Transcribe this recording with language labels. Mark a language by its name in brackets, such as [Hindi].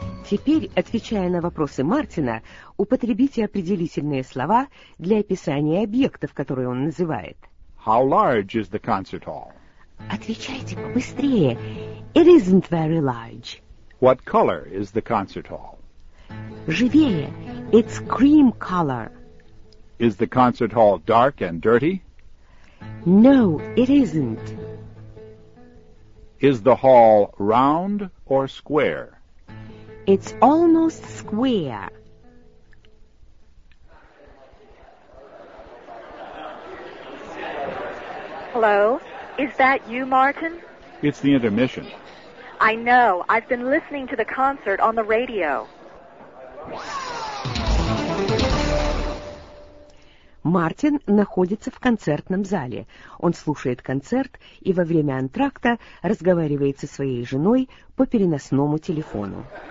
[Russian] Теперь, отвечая на вопросы Мартина, употребите определительные слова для описания объектов, которые он называет. [English] How large is the concert hall? [Russian] Отвечайте побыстрее. [English] It isn't very large. What color is the concert hall? [Russian] Живее. [English] It's cream color. Is the concert hall dark and dirty? No, it isn't. Is the hall round or square? It's almost square. Hello? Is that you, Martin? It's the intermission. I know. I've been listening to the concert on the radio. [Russian] Мартин находится в концертном зале. Он слушает концерт и во время антракта разговаривает со своей женой по переносному телефону.